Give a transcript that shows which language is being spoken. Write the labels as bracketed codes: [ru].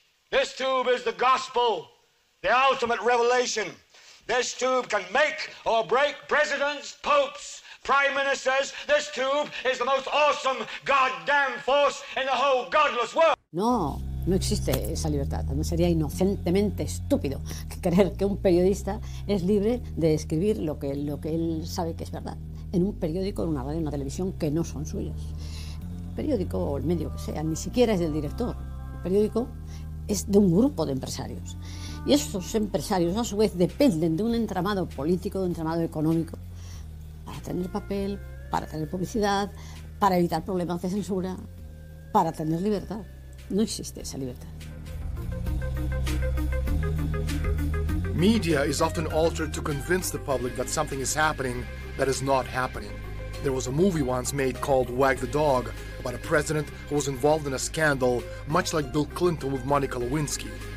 [en] This tube is the gospel, the ultimate revelation. This tube can make or break presidents, popes, prime ministers. This tube is the most awesome goddamn force in the whole godless world. [es] No. No existe esa libertad. No sería inocentemente estúpido creer que un periodista es libre de escribir lo que él sabe que es verdad. en un periódico, en una radio, en una televisión que no son suyos. El periódico o el medio que sea, ni siquiera es del director. El periódico es de un grupo de empresarios. Y esos empresarios, a su vez, dependen de un entramado político, de un entramado económico, para tener papel, para tener publicidad, para evitar problemas de censura, para tener libertad. No existe esa libertad. [en] Media is often altered to convince the public that something is happening that is not happening. There was a movie once made called Wag the Dog about a president who was involved in a scandal, much like Bill Clinton with Monica Lewinsky.